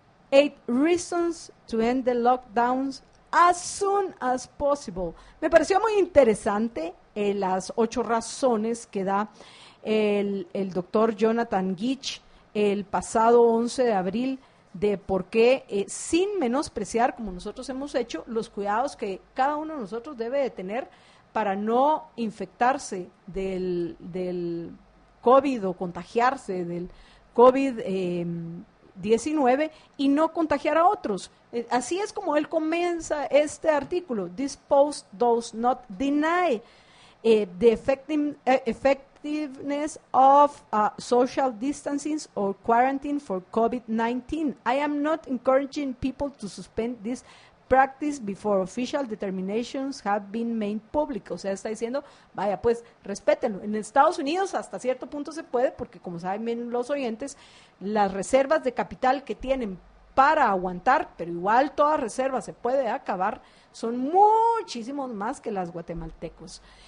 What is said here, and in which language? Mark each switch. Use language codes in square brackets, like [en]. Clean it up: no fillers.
[en] 8 Reasons to End the Lockdown as Soon as Possible. [es] Me pareció muy interesante las 8 razones que da el doctor Jonathan Gitch el pasado 11 de abril, de por qué, sin menospreciar, como nosotros hemos hecho, los cuidados que cada uno de nosotros debe de tener para no infectarse del COVID o contagiarse del COVID-19 y no contagiar a otros. Así es como él comienza este artículo: [en] "This post does not deny the effectiveness of social distancing or quarantine for COVID-19. I am not encouraging people to suspend this practice before official determinations have been made public." [es] O sea, está diciendo, vaya, pues, respétenlo. En Estados Unidos hasta cierto punto se puede, porque como saben bien los oyentes, las reservas de capital que tienen para aguantar, pero igual toda reserva se puede acabar, son muchísimos más que las guatemaltecos.